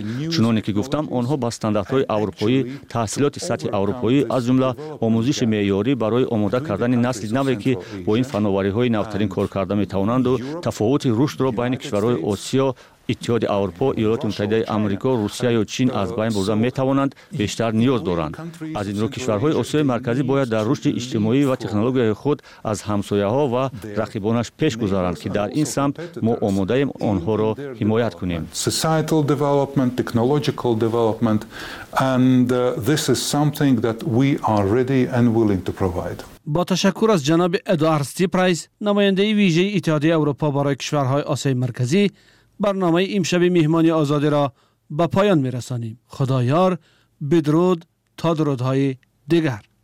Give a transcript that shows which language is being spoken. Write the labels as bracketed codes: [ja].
[fa] چنانی که گفتم آنها با استانداردهای اروپایی، تحصیلات سطح اروپایی از جمله آموزش معیاری برای آماده کردن نسل نوی که با این فناوری های نوترین کار کرده میتوانند و تفاوت رشد را بین کشورهای آسیا، اتحاد اروپا، ایالات متحده آمریکا، روسیه یا چین از بین برده میتوانند بیشتر نیاز دارند. از این رو کشورهای آسیای مرکزی باید در رشد اجتماعی و تکنولوژی خود از همسایه‌ها و رقیبانش پیش گذارند که در این سمت ما آماده ایم آنها را حمایت کنیم. [en] Societal development, technological development, and this is something that we are ready and willing to provide. [fa] با تشکر از جناب ادوارد استیپرایس، نماینده ویژه اتحادیه اروپا برای کشورهای آسیای مرکزی، برنامه امشب مهمانی آزادی را به پایان می رسانیم. خدا یار، بدرود تا درودهای دیگر.